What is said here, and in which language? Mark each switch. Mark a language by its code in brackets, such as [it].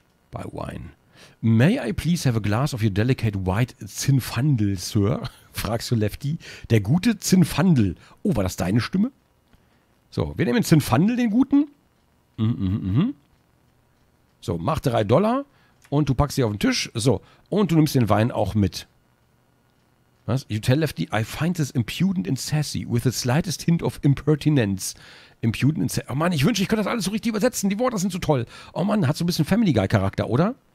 [en] Buy wine. May I please have a glass of your delicate white Zinfandel, Sir? [de] Fragst du Lefty. Der gute Zinfandel. Oh, war das deine Stimme? So, wir nehmen Zinfandel, den guten. So, mach $3 und du packst sie auf den Tisch. So, und du nimmst den Wein auch mit. Was? [en] You tell Lefty, I find this impudent and sassy, with the slightest hint of impertinence. Impudent and sassy. [de] Oh Mann, ich wünsche, ich könnte das alles so richtig übersetzen. Die Worte sind so toll. Oh Mann, hat so ein bisschen Family Guy Charakter, oder?